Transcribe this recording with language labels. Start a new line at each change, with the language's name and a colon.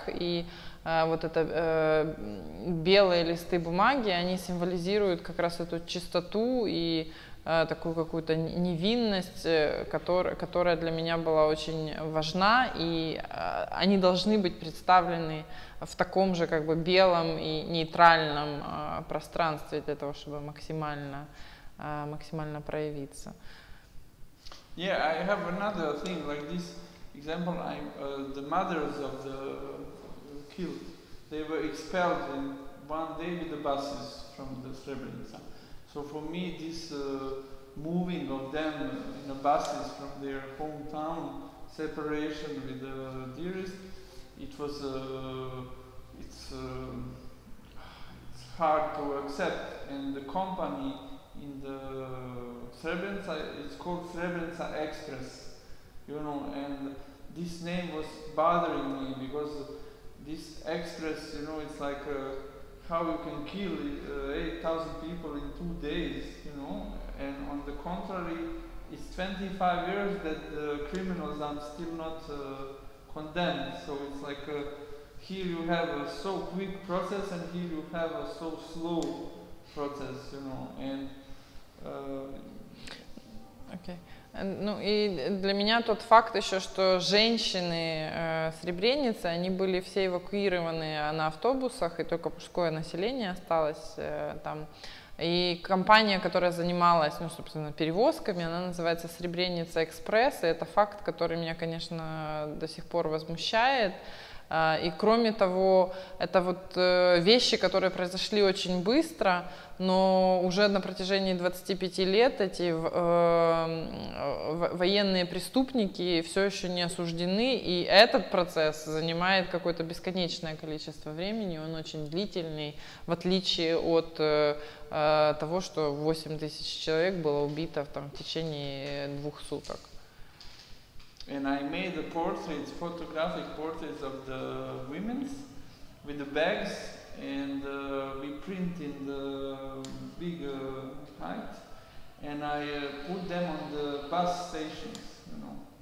Russian: И вот это белые листы бумаги, они символизируют как раз эту чистоту и такую какую-то невинность, которая для меня была очень важна. И они должны быть представлены в таком же как бы белом и нейтральном пространстве для того, чтобы максимально проявиться.
English: Yeah, I have another thing like this example. The mothers of the killed, they were expelled in one day with the buses from the Srebrenica. So for me, this moving of them in the buses from their hometown, separation with the dearest, it was it's hard to accept. And the company in the Srebrenica, it's called Srebrenica Express, you know, and this name was bothering me, because this express, you know, it's like how you can kill 8,000 people in 2 days, you know, and on the contrary, it's 25 years that the criminals are still not condemned. So it's like here you have a so quick process, and here you have a so slow process, you know. And
Russian: Окей. Ну и для меня тот факт еще, что женщины Сребреницы, они были все эвакуированы на автобусах, и только мужское население осталось там. И компания, которая занималась, ну, собственно, перевозками, она называется Сребреница Экспресс, и это факт, который меня, конечно, до сих пор возмущает. И кроме того, это вот вещи, которые произошли очень быстро, но уже на протяжении 25 лет эти военные преступники все еще не осуждены, и этот процесс занимает какое-то бесконечное количество времени, он очень длительный, в отличие от того, что 8 тысяч человек было убито там, в течение 2 суток.
English: And I made the portraits, photographic portraits of the women with the bags, and we print in the big height, and I put them on the bus stations, you know.